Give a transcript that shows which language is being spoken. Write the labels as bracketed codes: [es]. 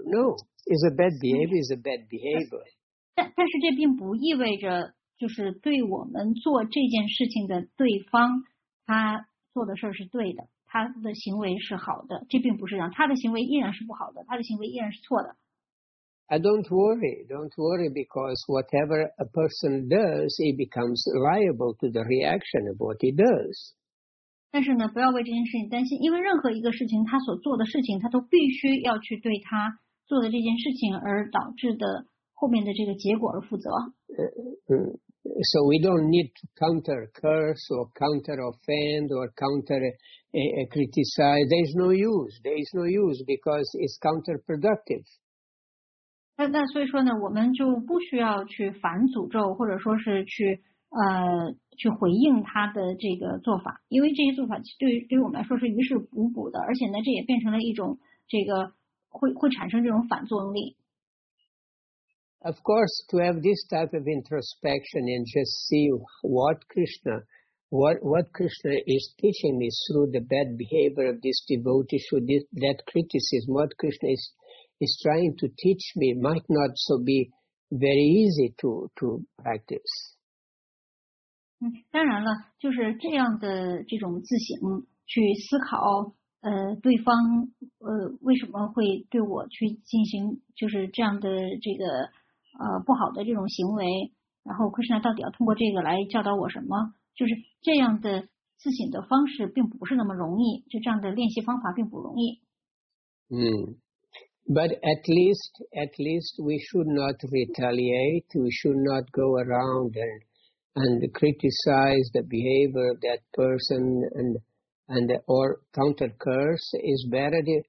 [en] No, is a bad behavior is a bad behavior. [zh] 但是这并不意味着。就是对我们做这件事情的对方，他做的事儿是对的，他的行为是好的，这并不是这样，他的行为依然是不好的，他的行为依然是错的。 [en] I don't worry, because whatever a person does, he becomes liable to the reaction of what he does. [zh] 但是呢，不要为这件事情担心，因为任何一个事情，他所做的事情，他都必须要去对他做的这件事情而导致的后面的这个结果而负责。 [en] So we don't need to counter curse or counter offend or counter criticize. There is no use. There is no use because it's counterproductive. [zh] 那所以说呢，我们就不需要去反诅咒，或者说是去回应他的这个做法，因为这些做法对于我们来说是于事无补的，而且呢，这也变成了一种这个会产生这种反作用力。 [en] Of course, to have this type of introspection and just see what Krishna is teaching me through the bad behavior of this devotee, through that criticism, what Krishna is trying to teach me might not so be very easy to practice. [zh] 当然了，就是这样的这种自省，去思考对方为什么会对我去进行就是这样的这个不好的这种行为，然后克什纳到底要通过这个来教导我什么，就是这样的自省的方式并不是那么容易，就这样的练习方法并不容易。 [en] But at least we should not retaliate, we should not go around and criticize the behavior of that person or counter curse is better.